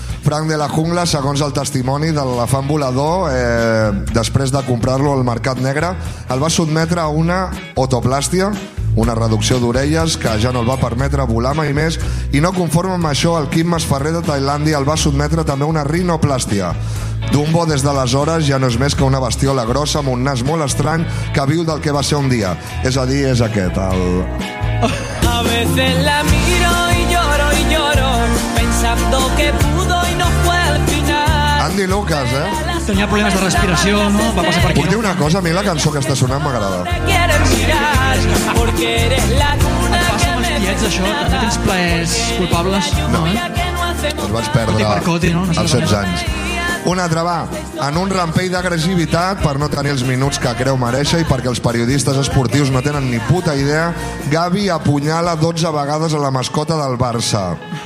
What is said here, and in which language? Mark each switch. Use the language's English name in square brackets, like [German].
[Catalan] Frank de la Jungla, segons el testimoni de l'elefant volador, després de comprar-lo al mercat negre, el va sotmetre a una otoplàstia, una reducció d'orelles que ja no el va permetre volar mai més, i no conforme amb això, el Quim Masferrer de Tailàndia el va sotmetre també a una rinoplàstia. Dumbo, des d'aleshores, ja no és més que una bestiola grossa amb un nas molt estrany que viu del que va ser un dia. És a dir, és aquest, el... [Spanish] A veces la miro y lloro, pensando que pudo y no fue al final. [Catalan] Andy Lucas, eh? Tenia problemes de respiració, no? Va passar per aquí. Vull dir una cosa, a mi la cançó que està sonant m'agrada. [Spanish] Porque eres la luna que me tiets, [Catalan] això? No tens plaers culpables? No, eh? Els vaig perdre als 16 anys. Un altre, va, en un rampell d'agressivitat per no tenir els minuts que creu mereixer i perquè els periodistes esportius no tenen ni puta idea, Gavi apunyala 12 vegades a la mascota del Barça.